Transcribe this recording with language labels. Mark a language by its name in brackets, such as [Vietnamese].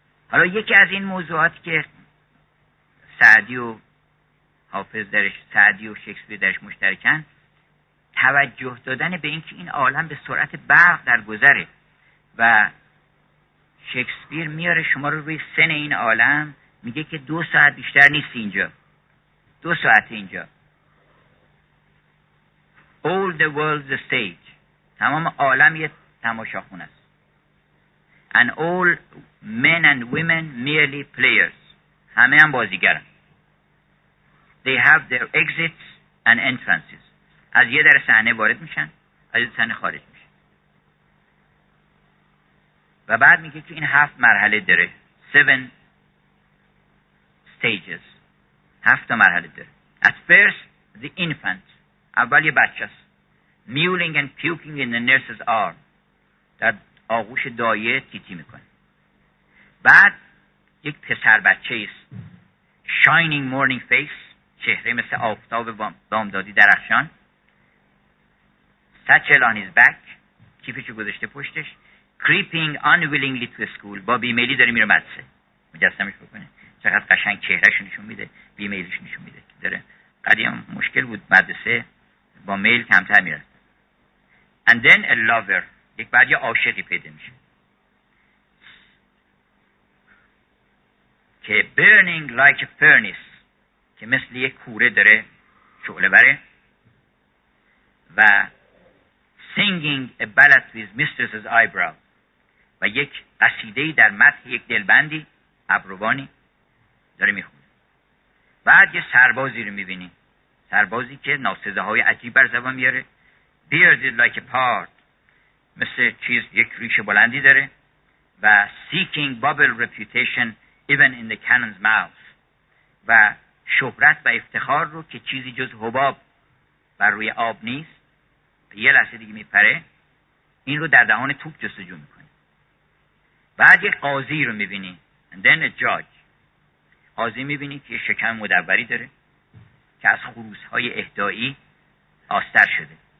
[Persian] حالا یکی از این موضوعات که سعدی و حافظ درش، سعدی و شکسپیر درش مشترکن، توجه دادن به این که این عالم به سرعت برق در گذره و شکسپیر میاره شما رو روی سن این عالم، میگه که 2 ساعت بیشتر نیست اینجا، 2 ساعت اینجا. [English] All the world's a stage. [Persian] تمام عالم یه تماشاخونه است. [English] And all men and women merely players. [Persian] همه هم بازیگرن. [English] They have their exits and entrances. [Persian] از یه در صحنه وارد میشن، از یه صحنه خارج میشن. و بعد میگه که این 7 مرحله داره. [English] 7 stages. [Persian] 7 مرحله داره. [English] At first, the infant. [Persian] اول یه بچه است. [English] Mewling and puking in the nurse's arm. [Persian] در آغوش دایه تیتی میکنه. بعد یک پسر بچه است. [English] Shining morning face. [Persian] چهره مثل آفتاب بامدادی درخشان. [English] Satchel on his back. [Persian] کیفشو گذاشته پشتش. [English] Creeping unwillingly to school. [Persian] با بیمیلی داره میره مدرسه. مجسمش بکنه. چقدر قشنگ چهرهشو نشون میده. بیمیلیش نشون میده. داره. قدیم مشکل بود مدرسه. با میل کمتر میره. [English] And then a lover. [Persian] یک بعد یه عاشقی پیدا میشه. [English] که burning like a furnace. [Persian] که مثل یک کوره داره شعله بره. [English] و singing a ballad to his mistress's eyebrow. [Persian] و یک قصیده‌ای در مدح یک دلبندی ابروانی داره میخونه. بعد یه سربازی رو میبینی. سربازی که ناسزاهای عجیب بر زبان میاره. [English] Bearded like a part. [Persian] مثل چیز یک ریش بلندی داره. [English] و seeking bubble reputation even in the cannon's mouth. [Persian] و شهرت و افتخار رو که چیزی جز حباب بر روی آب نیست، یه لحظه دیگه میپره، این رو در دهان توپ جستجو میکنه. بعد یک قاضی رو میبینی. [English] And then a judge. [Persian] قاضی میبینی که یه شکم مدوری داره که از خروس‌های اهدایی آستر شده.